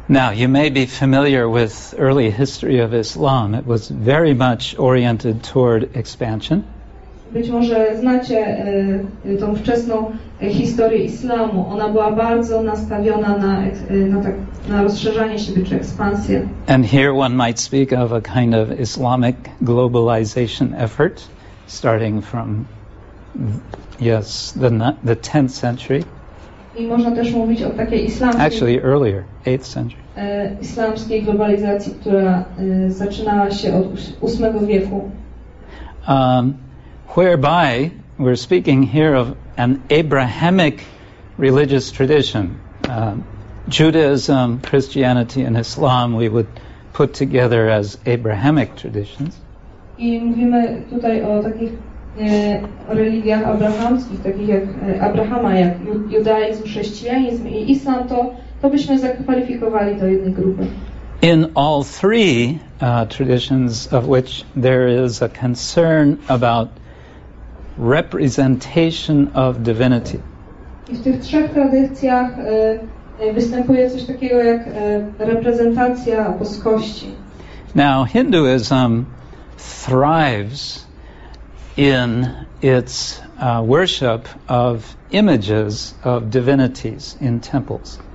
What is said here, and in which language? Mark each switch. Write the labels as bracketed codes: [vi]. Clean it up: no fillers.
[en] Now, you may be familiar with early history of Islam. It was very much oriented toward expansion. [pl] Być może znacie tą wczesną historię Islamu. Ona była bardzo nastawiona na rozszerzanie się, czy ekspansję. [en] And here one might speak of a kind of Islamic globalization effort starting from, yes, the 10th century. [pl] I można też mówić o takiej islamskiej... [en] Actually, earlier, 8th century. [pl] Islamskiej globalizacji, która zaczynała się od 8 wieku. [en] Whereby we're speaking here of an Abrahamic religious tradition. Judaism, Christianity and Islam we would put together as Abrahamic traditions. [pl] I mówimy tutaj o takich religiach abrahamskich, takich jak Abrahama, jak judaizm, chrześcijanizm i islam, to byśmy zakwalifikowali do jednej grupy. [en] In all three traditions, of which there is a concern about representation of divinity. [pl] I w tych trzech tradycjach występuje coś takiego jak reprezentacja boskości. [en] Now, Hinduism thrives in its worship of images of divinities in temples.